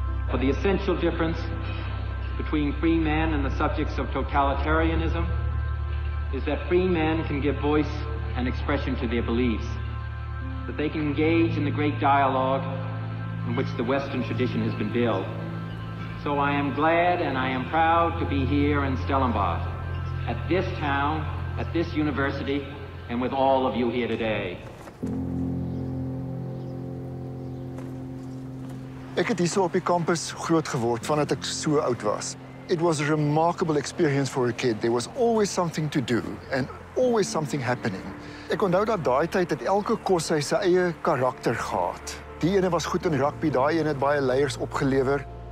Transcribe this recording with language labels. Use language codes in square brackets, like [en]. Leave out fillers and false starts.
[en] For the essential difference between free men and the subjects of totalitarianism is that free men can give voice and expression to their beliefs, that they can engage in the great dialogue in which the Western tradition has been built. So I am glad and I am proud to be here in Stellenbosch, at this town, at this university, and with all of you here today. [af] Ek het hierso op die campus groot geword vandat ek so oud was. [en] It was a remarkable experience for a kid. There was always something to do and always something happening. [af] Ek onthou dat daai tyd het elke kos hy sy eie karakter gehad. Die ene was goed in rugby, daai ene het baie leiers opgelewer.